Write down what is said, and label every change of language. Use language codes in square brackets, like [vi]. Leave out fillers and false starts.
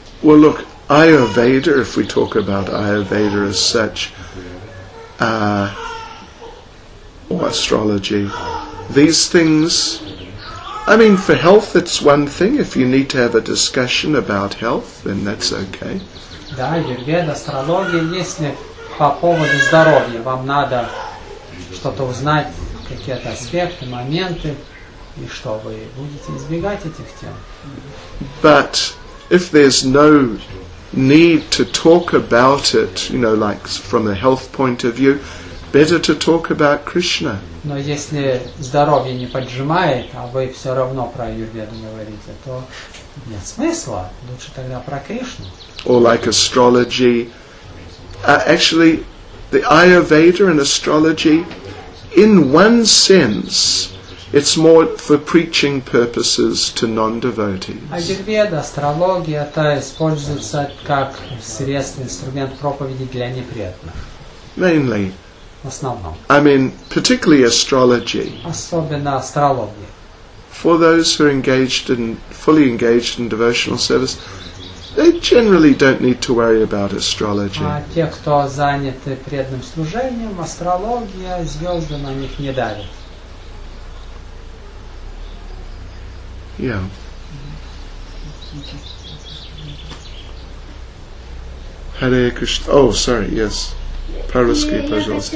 [en] Well, look, Ayurveda, if we talk about Ayurveda as such, or astrology, these things, I mean, for health, it's one thing. If you need to have a discussion about health, then that's okay. [ru] Да, Ayurveda, астрология, если по поводу здоровья вам надо что-то узнать, какие-то аспекты, моменты, и что вы будете избегать этих тем. [en] But if there's no need to talk about it, you know, like from a health point of view, better to talk about Krishna. [ru] Но если здоровье не поджимает, а вы все равно про Ayurveda говорите, то нет смысла, лучше тогда про Кришну. [en] Or like astrology. Actually, the Ayurveda and astrology, in one sense, it's more for preaching purposes to non-devotees. [ru] Ayurveda, астрология, это используется как средство, инструмент проповеди для непреданных. [en] Mainly. [ru] В основном. [en] I mean, particularly astrology. [ru] Особенно астрология. [en] For those who are fully engaged in devotional service, they generally don't need to worry about astrology. [ru] А те, кто заняты преданным служением, астрология, звезды на них не давят. [en] Yeah. Hare Krishna. Oh, sorry, yes. Парвати, пожалуйста.